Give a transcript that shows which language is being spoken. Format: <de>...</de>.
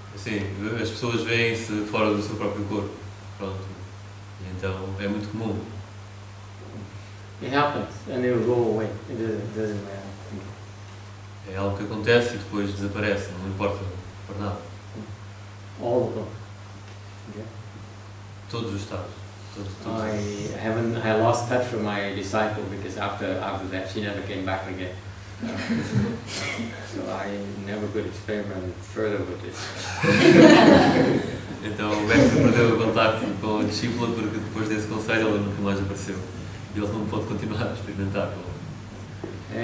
<pt>Sim, as pessoas veem-se fora do seu próprio corpo. Pronto. Então é muito comum.</pt> <en>It happens and it will go away. It doesn't matter.</en> <pt>É algo que acontece e depois desaparece, não importa por nada.</pt> <en>All of them. Okay.</en> <pt>Todos os estados. Todos.</pt> <en>I lost touch with my disciple because after that she never came back again. So I never could experiment further with this.</en> <pt>Então o mestre perdeu o contacto com a discípula porque depois desse conselho ela nunca mais apareceu. E ele não pode continuar a experimentar com ela.</pt>